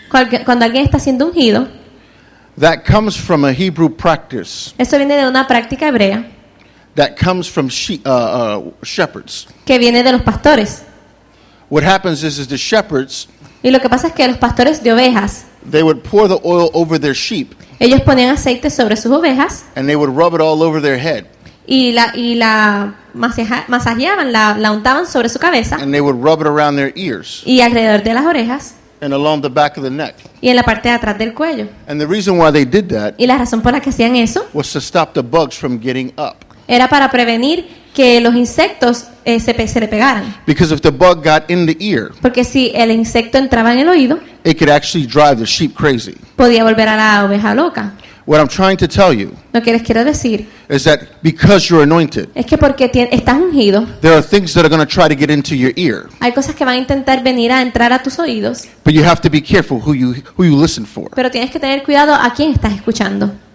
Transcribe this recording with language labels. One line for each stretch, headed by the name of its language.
Spanish: Cuando alguien está siendo ungido.
English: That comes from a Hebrew practice.
Spanish: Eso viene de una práctica hebrea.
English: That comes from shepherds.
Spanish: Que viene de los pastores.
English: What happens is the shepherds.
Spanish: Y lo que pasa es que los pastores de ovejas.
English: They would pour the oil over their sheep.
Spanish: Ellos ponían aceite sobre sus ovejas.
English: And they would rub it all over their head.
Spanish: Y la masajeaban, la untaban sobre su cabeza.
English: And they would rub it around their ears.
Spanish: Y alrededor de las orejas.
English: And along the back of the neck.
Spanish: Y en la parte de atrás del cuello.
English: And the reason why they did that.
Spanish: Y la razón por la que hacían eso.
English: Was to stop the bugs from getting up.
Spanish: Era para prevenir que los insectos se le pegaran.
English: Because if the bug got in the ear.
Spanish: Porque si el insecto entraba en el oído.
English: It could actually drive the sheep crazy.
Spanish: Podía volver a la oveja loca.
English: What I'm trying to tell you.
Spanish: Lo que les quiero decir.
English: Is that because you're anointed.
Spanish: Es que porque estás ungido.
English: There are things that are going to try to get into your ear.
Spanish: Hay cosas que van a intentar venir a entrar a tus oídos.
English: But you have to be careful who you listen for.
Spanish: Pero tienes que tener cuidado a quién estás escuchando.